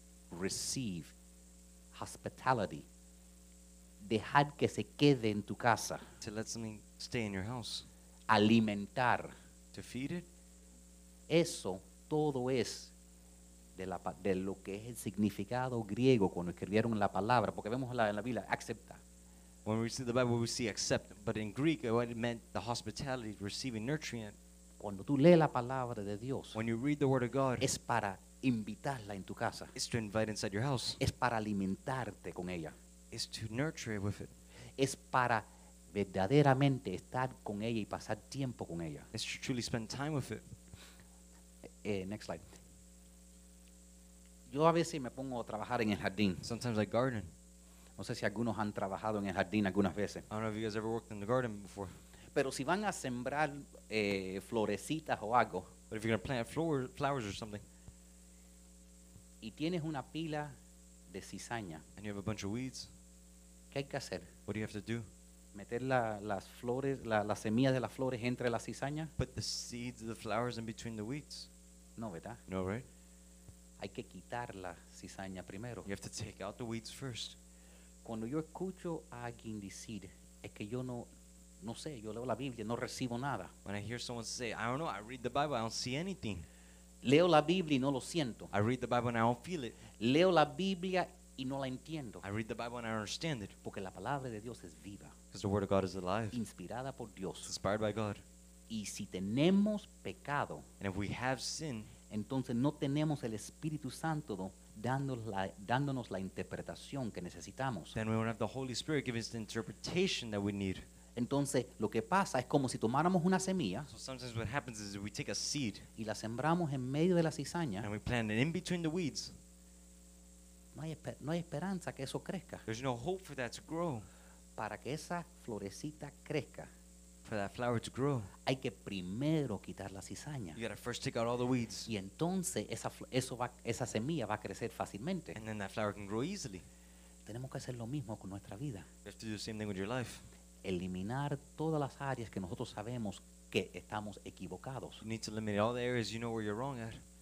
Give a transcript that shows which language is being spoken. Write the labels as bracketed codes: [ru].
[en] Receive, hospitality. [es] Dejar que se quede en tu casa. [en] To let something stay in your house. [es] Alimentar. [en] To feed it. [es] Eso todo es de lo que es el significado griego cuando escribieron la palabra. Porque vemos en la Biblia, acepta. [en] When we see the Bible, we see accept. But in Greek, what it meant, the hospitality, receiving nutrient. [es] Cuando tú lees la palabra de Dios. [en] When you read the word of God. [es] Es para invitarla en tu casa. [en] It's to invite inside your house. [es] Es para alimentarte con ella. [en] Is to nurture it with it. [es] Es para verdaderamente estar con ella y pasar tiempo con ella. [en] Is to truly spend time with it. Next slide. [es] Yo a veces me pongo a trabajar en el jardín. [en] Sometimes I garden. [es] No sé si algunos han trabajado en el jardín algunas veces. [en] I don't know if you guys ever worked in the garden before. [es] Pero si van a sembrar florecitas o algo. [en] But if you're going to plant flowers or something. [es] Y tienes una pila de cizaña. [en] And you have a bunch of weeds. [es] ¿Qué hay que hacer? [en] What do you have to do? [es] Meter las flores, las semillas de las flores entre la cizaña. [en] Put the seeds of the flowers in between the weeds. [es] No, ¿verdad? [en] No, right? [es] Hay que quitar la cizaña primero. [en] You have to take out the weeds first. [es] Cuando yo escucho a alguien decir, es que yo no sé, yo leo la Biblia, no recibo nada. [en] When I hear someone say, I don't know, I read the Bible, I don't see anything. [es] Leo la Biblia y no lo siento. [en] I read the Bible and I don't feel it. [es] Leo la Biblia y no la entiendo. [en] I read the Bible and I don't understand it. [es] Porque la palabra de Dios es viva. [en] Because the word of God is alive. [es] Inspirada por Dios. [en] It's inspired by God. [es] Y si tenemos pecado. [en] And if we have sin. [es] Entonces no tenemos el Espíritu Santo dándonos la interpretación que necesitamos. [en] Then we don't have the Holy Spirit giving us the interpretation that we need. [es] Entonces, lo que pasa es como si tomáramos una semilla. [en] So sometimes what happens is we take a seed. [es] Y la sembramos en medio de la cizaña. [en] And we plant it in between the weeds. [es] No hay esperanza que eso crezca. [en] There's no hope for that to grow. [es] Para que esa florecita crezca. [en] For that flower to grow. [es] Hay que primero quitar la cizaña. [en] You gotta first take out all the weeds. [es] Y entonces, esa semilla va a crecer fácilmente. [en] And then that flower can grow easily. [es] Tenemos que hacer lo mismo con nuestra vida. [en] You have to do the same thing with your life. [es] Eliminar todas las áreas que nosotros sabemos que estamos equivocados. [en] You need to eliminate all the areas you know where you're wrong at.